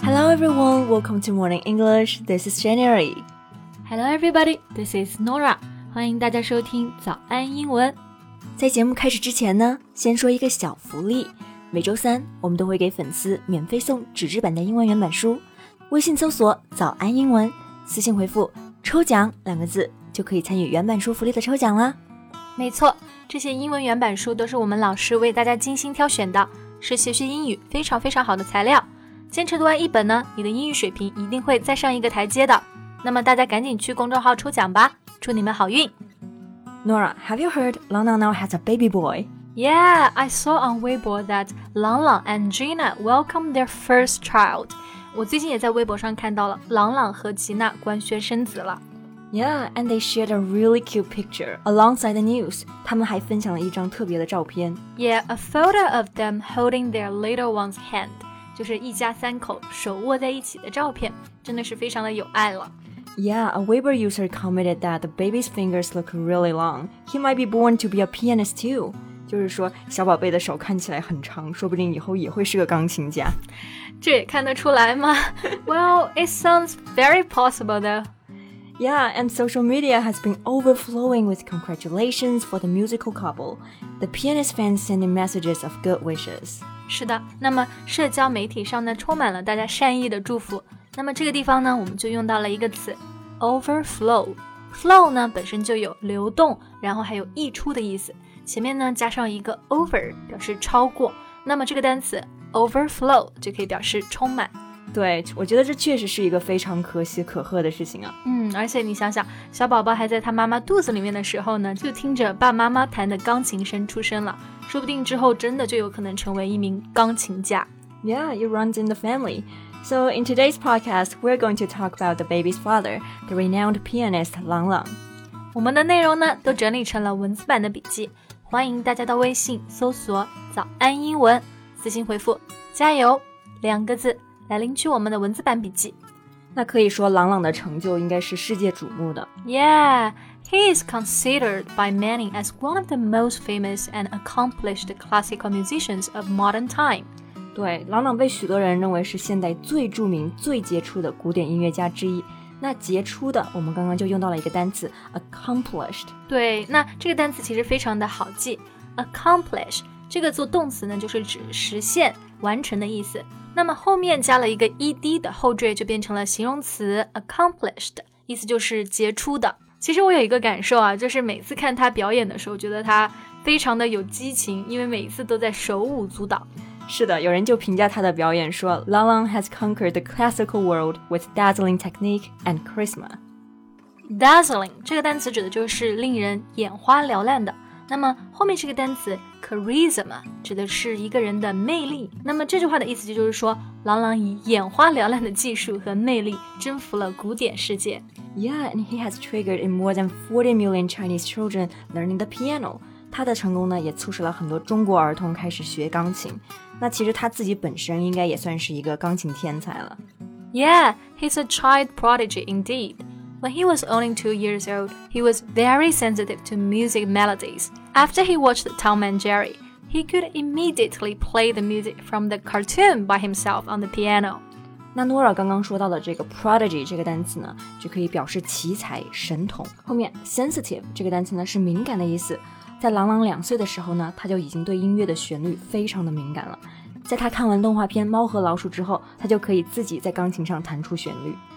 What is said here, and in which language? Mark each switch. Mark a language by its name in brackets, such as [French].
[English] everyone, welcome to Morning English. This is January. Hello everybody, this is Nora. [Chinese] 欢迎大家收听早安英文。在节目开始之前呢，先说一个小福利。每周三，我们都会给粉丝免费送纸质版的英文原版书。微信搜索早安英文，私信回复抽奖两个字，就可以参与原版书福利的抽奖啦。没错，这些英文原版书都是我们老师为大家精心挑选的，是学习英语非常非常好的材料。坚持读完一本呢，你的英语水平一定会再上一个台阶的。那么大家赶紧去公众号抽奖吧，祝你们好运。 [English] Nora, have you heard Lang Lang now has a baby boy? Yeah, I saw on Weibo that Lang Lang and Gina welcomed their first child. [Chinese] 我最近也在微博上看到了朗朗和吉娜官宣生子了。 [English] Yeah, and they shared a really cute picture alongside the news. [Chinese] 他们还分享了一张特别的照片。 [English] Yeah, a photo of them holding their little one's hand. [Chinese] 就是一家三口手握在一起的照片，真的是非常的有爱了。 [English] Yeah, a Weibo user commented that the baby's fingers look really long. He might be born to be a pianist too. [Chinese] 就是说，小宝贝的手看起来很长，说不定以后也会是个钢琴家。这也看得出来吗？ [English] Well, it sounds very possible though. Yeah, and social media has been overflowing with congratulations for the musical couple. The pianist fans sending messages of good wishes. [Chinese] 是的，那么社交媒体上呢充满了大家善意的祝福。那么这个地方呢，我们就用到了一个词 overflow。 flow 呢本身就有流动，然后还有溢出的意思。前面呢加上一个 over 表示超过，那么这个单词 overflow 就可以表示充满。对，我觉得这确实是一个非常可喜可贺的事情啊。嗯，而且你想想，小宝宝还在他妈妈肚子里面的时候呢，就听着爸妈妈弹的钢琴声出生了。说不定之后真的就有可能成为一名钢琴家。 [English] Yeah, it runs in the family. So in today's podcast, we're going to talk about the baby's father, the renowned pianist Lang Lang. [Chinese] 我们的内容呢都整理成了文字版的笔记，欢迎大家到微信搜索早安英文，私信回复加油两个字来领取我们的文字版笔记。那可以说朗朗的成就应该是世界瞩目的。 [English] Yeah, he is considered by many as one of the most famous and accomplished classical musicians of modern time. [Chinese] 对，朗朗被许多人认为是现代最著名最杰出的古典音乐家之一。那杰出的我们刚刚就用到了一个单词 accomplished。对，那这个单词其实非常的好记。accomplish 这个做动词呢就是指实现完成的意思，那么后面加了一个 ed 的后缀就变成了形容词 accomplished， 意思就是杰出的。其实我有一个感受啊，就是每次看他表演的时候觉得他非常的有激情，因为每一次都在手舞足蹈。是的，有人就评价他的表演说 [English] Lang Lang has conquered the classical world with dazzling technique and charisma. [Chinese] Dazzling 这个单词指的就是令人眼花缭乱的，那么后面这个单词 charisma 指的是一个人的魅力，那么这句话的意思就是说朗朗以眼花缭乱的技术和魅力征服了古典世界。 [English] Yeah, and he has triggered in more than 40 million Chinese children learning the piano. [Chinese] 他的成功呢也促使了很多中国儿童开始学钢琴，那其实他自己本身应该也算是一个钢琴天才了。 [English] Yeah, he's a child prodigy indeed. When he was only 2 years old, he was very sensitive to music melodies. After he watched Tom and Jerry, he could immediately play the music from the cartoon by himself on the piano. [Chinese] 那 Nora 刚刚说到的这个 prodigy 这个单词呢，就可以表示奇才、神童。后面 sensitive 这个单词呢是敏感的意思。在朗朗两岁的时候呢，他就已经对音乐的旋律非常的敏感了。在他看完动画片《猫和老鼠》之后，他就可以自己在钢琴上弹出旋律。